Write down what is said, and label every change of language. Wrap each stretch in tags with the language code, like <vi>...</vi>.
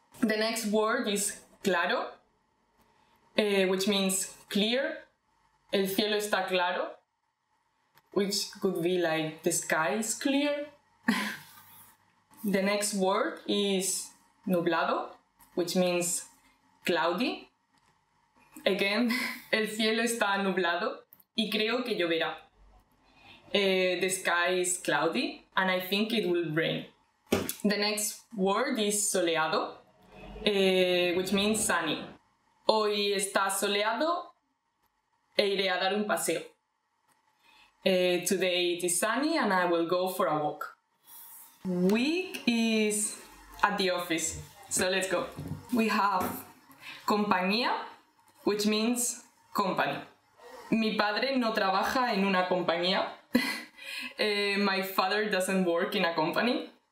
<en>The next word is claro, which means clear.</en> <es>El cielo está claro,</es> <en>which could be like the sky is clear. The next word is nublado, which means cloudy.</en> <es>Again, el cielo está nublado y creo que lloverá.</es> <en>The sky is cloudy and I think it will rain. The next word is soleado, which means sunny.</en> <es>Hoy está soleado e iré a dar un paseo.</es> <en>Today it is sunny and I will go for a walk. Week is at the office, so let's go. We have compañía, which means company.</en> <es>Mi padre no trabaja en una compañía.</es> <en>My father doesn't work in a company.</en>